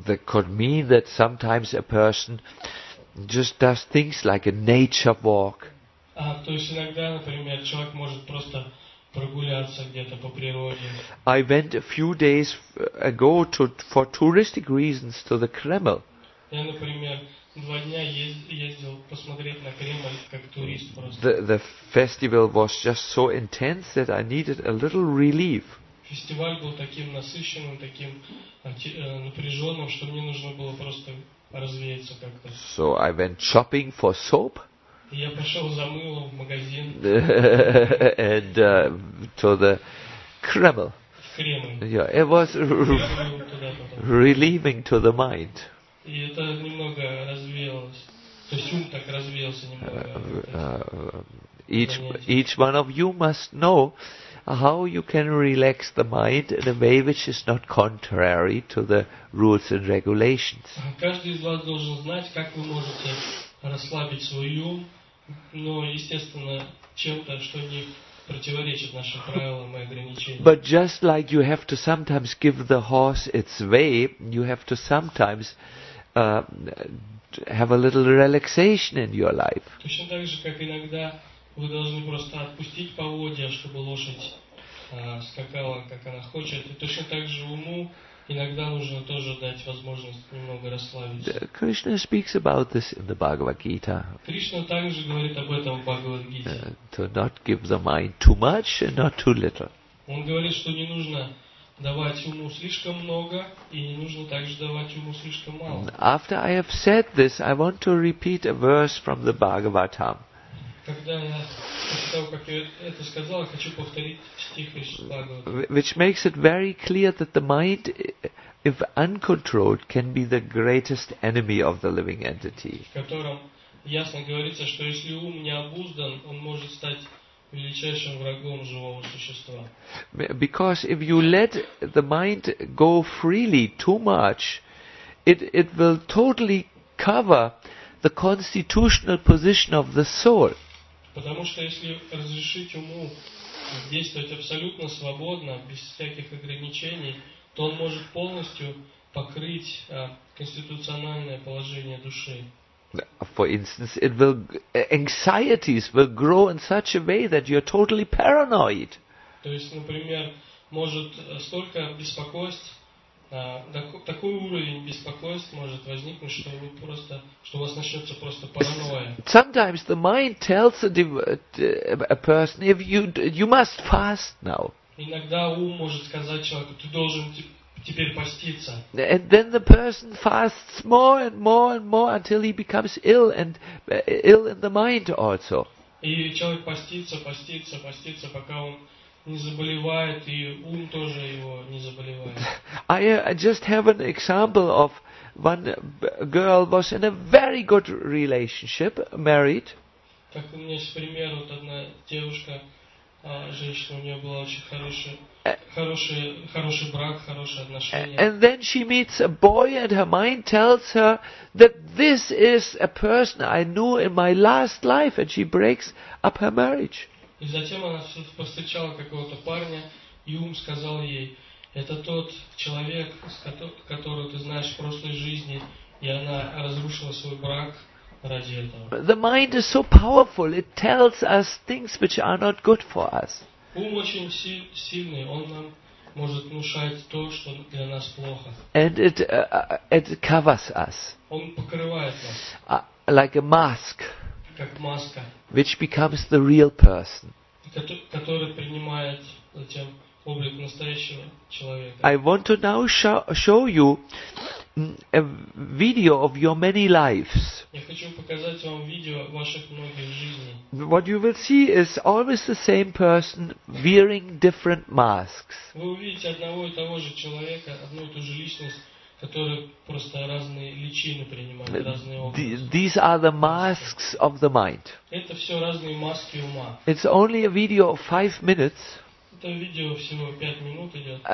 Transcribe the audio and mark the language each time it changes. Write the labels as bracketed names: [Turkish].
[English] That could mean that sometimes a person just does things like a nature walk. [Russian] То есть иногда, например, человек может просто прогуляться где-то по природе. [English] I went a few days ago for touristic reasons to the Kremlin. [Russian] Я, например, два дня ездил посмотреть на Кремль как турист просто. [English] The festival was just so intense that I needed a little relief. [Russian] Фестиваль был таким насыщенным, таким напряженным, что мне нужно было просто развеяться как-то. [English] So I went shopping for soap. [Russian] Я пошел за мылом в магазин. [English] And to the Kreml. [Russian] Кремль. [English] Yeah, it was relieving to the mind. [Russian] И это немного развеялось. То есть ум так развеялся немного. [English] Each one of you must know how you can relax the mind in a way which is not contrary to the rules and regulations. [Russian] Каждый из вас должен знать, как вы можете расслабить свой ум. Но, естественно, чем-то, что не противоречит нашим правилам и ограничениям. [English] But just like you have to sometimes give the horse its way, you have to sometimes have a little relaxation in your life. [Russian] Точно так же, как иногда вы должны просто отпустить поводья, чтобы лошадь скакала, как она хочет. И точно так же уму иногда нужно тоже дать возможность немного расслабиться. [English] Krishna speaks about this in the Bhagavad Gita. [Russian] Кришна также говорит об этом в Бхагавад Гите. [English] To not give the mind too much and not too little. [Russian] Он говорит, что не нужно давать уму слишком много и не нужно также давать уму слишком мало. [English] After I have said this, I want to repeat a verse from the Bhagavatam. [Russian] Когда я после того, как я это сказал, хочу повторить стих из Бхагавата. [English] Which makes it very clear that the mind, if uncontrolled, can be the greatest enemy of the living entity. [Russian] В котором ясно говорится, что если ум не обуздан, он может стать величайшим врагом живого существа. [English] Because if you let the mind go freely too much, it will totally cover the constitutional position of the soul. [Russian] Потому что если разрешить уму действовать абсолютно свободно, без всяких ограничений, то он может полностью покрыть конституциональное положение души. [English] For instance, anxieties will grow in such a way that you're totally paranoid. [Russian] То есть, например, может столько беспокойств, такой уровень беспокойств может возникнуть, что вы просто, что у вас начнется просто паранойя. [English] Sometimes the mind tells a person, if you must fast now. [Russian] Иногда ум может сказать человеку, ты должен теперь поститься. [English] And then the person fasts more and more and more until he becomes ill and ill in the mind also. [Russian] И человек постится, пока он не заболевает, и ум тоже его не заболевает. [English] I just have an example of one girl was in a very good relationship, married. [Russian] Как у меня есть пример, вот одна девушка, женщина, у нее была очень хороший брак, хорошие отношения. [English] And then she meets a boy and her mind tells her that this is a person I knew in my last life and she breaks up her marriage. [Russian] И затем она повстречала какого-то парня, и ум сказал ей, это тот человек, которого ты знаешь в прошлой жизни, и она разрушила свой брак ради этого. [English] The mind is so powerful, it tells us things which are not good for us. [Russian] Ум очень сильный, он нам может внушать то, что для нас плохо. [English] And it covers us. [Russian] Он покрывает нас. [English] Like a mask. [Russian] Как маска. [English] Which becomes the real person. [Russian] Который принимает затем облик настоящего человека. [English] I want to now show you a video of your many lives. [Russian] Я хочу показать вам видео ваших многих жизней. [English] What you will see is always the same person wearing different masks. [Russian] Вы увидите одного и того же человека, одну и ту же личность, которые просто разные личины принимают, разные образы. [English] These are the masks of the mind. [Russian] Это все разные маски ума. [English] It's only a video of 5 minutes. [Russian] Это видео всего 5 минут идет.